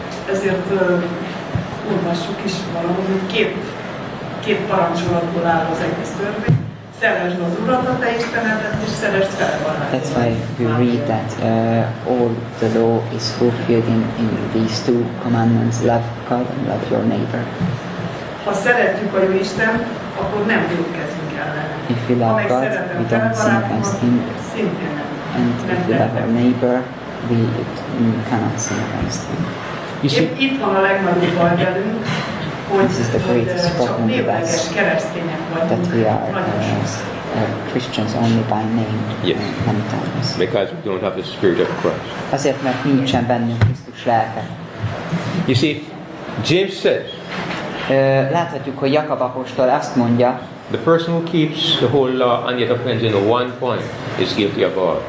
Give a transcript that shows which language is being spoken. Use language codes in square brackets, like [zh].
[hu] Ezért olvassuk is valahogy, hogy két parancsolatból áll az egész törvény. Szeresd az Urat, a te Istenedet, és szeresd fel a barátodat. [en] That's why we read that all the law is fulfilled in these two commandments, love God and love your neighbor. [hu] Ha szeretjük a Jó Isten, akkor nem gyűlkezünk ellene. [en] If we love God, we don't sin against him. And if we love our neighbor, we cannot sin against him. [hu] Itt van a legnagyobb baj velünk, hogy [en] this is the greatest problem with us, that we are Christians only by name. Yes. Many times. Because we don't have the Spirit of Christ. [hu] Azért, mert nincsen bennünk Krisztus lelke. [en] You see, James said, [hu] láthatjuk, hogy Jakab apostol azt mondja, [en] the person who keeps the whole law and yet offends in one point is guilty of all.